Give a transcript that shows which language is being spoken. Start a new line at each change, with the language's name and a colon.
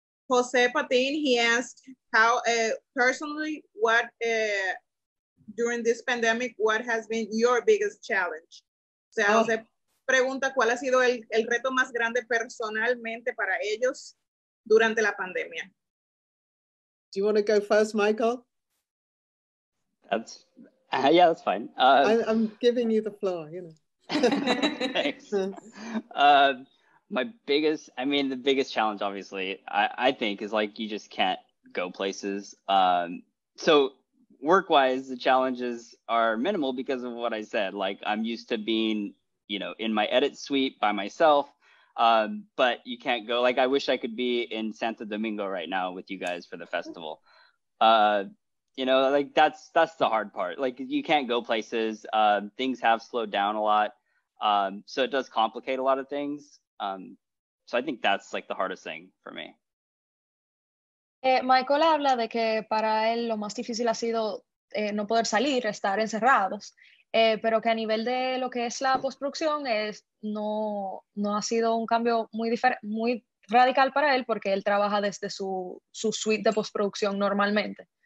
English: Jose Patin, he asked how personally, what during this pandemic, what has been your biggest challenge?
Spanish: O sea, Jose pregunta cuál ha sido el reto más grande personalmente para ellos durante la pandemia.
English: Do you want to go first, Michael? That's fine. I'm giving you the floor, you know. Thanks. The biggest challenge, obviously, I think, is like you just can't go places. So work-wise, the challenges are minimal because of what I said. Like, I'm used to being, you know, in my edit suite by myself, but you can't go. Like, I wish I could be in Santo Domingo right now with you guys for the festival. You know, like, that's the hard part. Like, you can't go places. Things have slowed down a lot. So it does complicate a lot of things. So I think that's like the hardest thing for me.
Spanish: Michael habla de que para él lo más difícil ha sido no poder salir, estar encerrados, pero que a nivel de lo que es la postproducción es no ha sido un cambio muy radical para él porque él trabaja desde su suite de postproducción normalmente.